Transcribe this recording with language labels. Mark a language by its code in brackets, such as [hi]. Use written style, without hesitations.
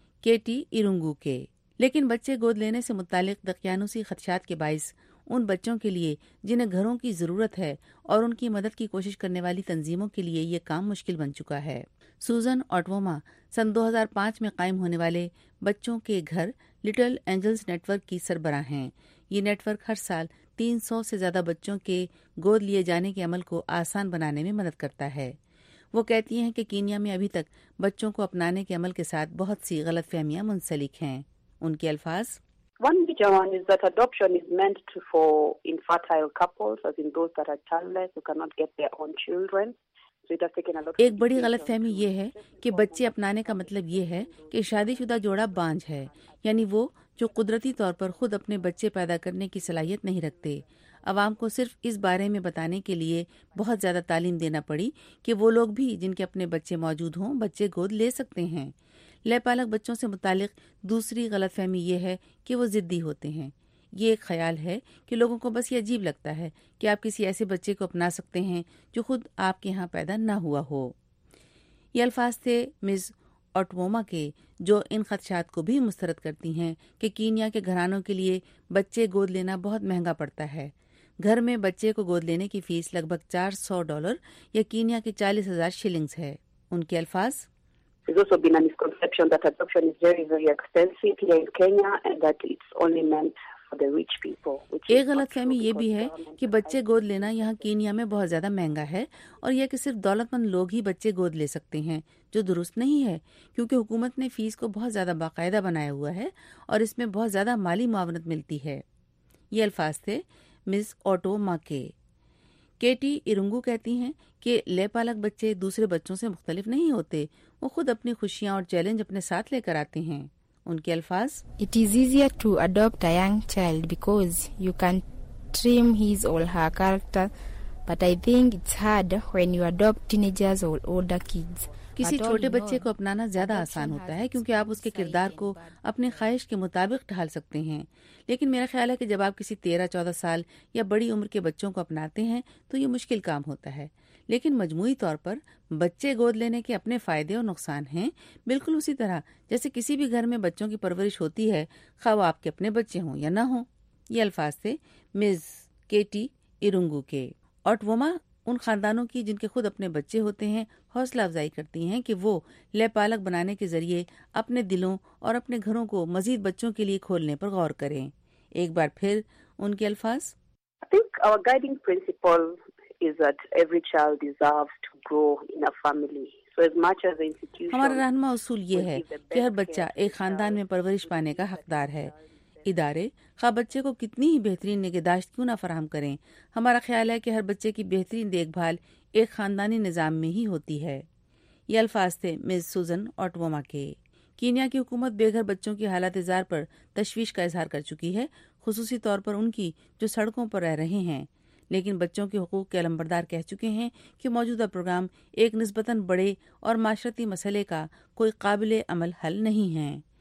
[ur] Katy ایرنگو کے۔ لیکن بچے گود لینے سے متعلق دقیانوسی خدشات کے باعث ان بچوں کے لیے جنہیں گھروں کی ضرورت ہے اور ان کی مدد کی کوشش کرنے والی تنظیموں کے لیے یہ کام مشکل بن چکا ہے۔ سوزن آٹوما سن 2005 میں قائم ہونے والے بچوں کے گھر لٹل اینجلز نیٹ ورک کی سربراہ ہیں۔ یہ نیٹ ورک ہر سال 300 سے زیادہ بچوں کے گود لیے جانے کے عمل کو آسان بنانے میں مدد کرتا ہے۔ وہ کہتی ہیں کہ کینیا میں ابھی تک بچوں کو اپنانے کے عمل کے ساتھ بہت سی غلط فہمیاں منسلک ہیں۔ ان کے الفاظ، [en] One major one is that adoption is meant for infertile couples, as in those that are childless, who cannot get their own children. [ur] ایک بڑی غلط فہمی یہ ہے کہ بچے اپنانے کا مطلب یہ ہے کہ شادی شدہ جوڑا بانجھ ہے، یعنی وہ جو قدرتی طور پر خود اپنے بچے پیدا کرنے کی صلاحیت نہیں رکھتے۔ عوام کو صرف اس بارے میں بتانے کے لیے بہت زیادہ تعلیم دینا پڑی کہ وہ لوگ بھی جن کے اپنے بچے موجود ہوں بچے گود لے سکتے ہیں۔ لے پالک بچوں سے متعلق دوسری غلط فہمی یہ ہے کہ وہ ضدی ہوتے ہیں۔ یہ ایک خیال ہے کہ لوگوں کو بس یہ عجیب لگتا ہے کہ آپ کسی ایسے بچے کو اپنا سکتے ہیں جو خود آپ کے ہاں پیدا نہ ہوا ہو۔ یہ الفاظ تھے مز آٹوما کے، جو ان خدشات کو بھی مسترد کرتی ہیں کہ کینیا کے گھرانوں کے لیے بچے گود لینا بہت مہنگا پڑتا ہے۔ گھر میں بچے کو گود لینے کی فیس لگ بھگ $400 یا کینیا کے 40,000 شلنگز ہے۔ ان کے الفاظ، [en] There's also been a misconception that adoption is very, very expensive here in Kenya and that it's only meant for the rich people. [ur] ایک غلط فہمی یہ بھی ہے کہ بچے گود لینا یہاں کینیا میں بہت زیادہ مہنگا ہے اور یہ کہ صرف دولت مند لوگ ہی بچے گود لے سکتے ہیں، جو درست نہیں ہے، کیونکہ حکومت نے فیس کو بہت زیادہ باقاعدہ بنایا ہوا ہے اور اس میں بہت زیادہ مالی معاونت ملتی ہے۔ یہ الفاظ تھے مس آٹو ماکے۔ کیٹی ایرنگو کہتی ہیں کہ لے پالک بچے دوسرے بچوں سے مختلف نہیں ہوتے، وہ خود اپنی خوشیاں اور چیلنج اپنے ساتھ لے کر آتے ہیں۔ ان کے الفاظ، [en] It is easier to adopt a young child because you can trim his or her character, but I think it's hard when you adopt teenagers or older kids. [ur] کسی چھوٹے بچے کو اپنانا زیادہ آسان ہوتا ہے کیونکہ آپ اس کے کردار کو اپنے خواہش کے مطابق ڈھال سکتے ہیں، لیکن میرا خیال ہے کہ جب آپ کسی 13-14 سال یا بڑی عمر کے بچوں کو اپناتے ہیں تو یہ مشکل کام ہوتا ہے۔ لیکن مجموعی طور پر بچے گود لینے کے اپنے فائدے اور نقصان ہیں، بالکل اسی طرح جیسے کسی بھی گھر میں بچوں کی پرورش ہوتی ہے، خواہ وہ آپ کے اپنے بچے ہوں یا نہ ہوں۔ یہ الفاظ تھے مز کیٹی ایرنگو کے۔ آٹوما ان خاندانوں کی جن کے خود اپنے بچے ہوتے ہیں حوصلہ افزائی کرتی ہیں کہ وہ لے پالک بنانے کے ذریعے اپنے دلوں اور اپنے گھروں کو مزید بچوں کے لیے کھولنے پر غور کریں. ایک بار پھر ان کے الفاظ. [en] I think our guiding principle is that every child deserves to grow in a family. [ur] ہمارا رہنما اصول یہ ہے کہ ہر بچہ ایک خاندان میں پرورش پانے کا حقدار ہے. ادارے خواہ بچے کو کتنی ہی بہترین نگہداشت کیوں نہ فراہم کریں، ہمارا خیال ہے کہ ہر بچے کی بہترین دیکھ بھال ایک خاندانی نظام میں ہی ہوتی ہے. یہ الفاظ تھے مس سوزن آٹوما کے. کینیا کی حکومت بے گھر بچوں کی حالات اظہار پر تشویش کا اظہار کر چکی ہے، خصوصی طور پر ان کی جو سڑکوں پر رہ رہے ہیں، لیکن بچوں کے حقوق کے علمبردار کہہ چکے ہیں کہ موجودہ پروگرام ایک نسبتاً بڑے اور معاشرتی مسئلے کا کوئی قابل عمل حل نہیں ہے.